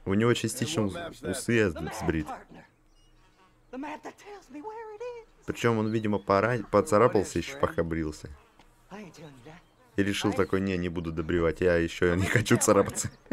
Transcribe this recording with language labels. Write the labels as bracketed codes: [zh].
[ru] У него частично усы сбрит. [en] The map that tells me where it is. [ru] Причем он, видимо, поцарапался еще, пока брился. [en] I ain't telling you that. [ru] И решил I... такой, не буду добривать, я еще не хочу царапаться.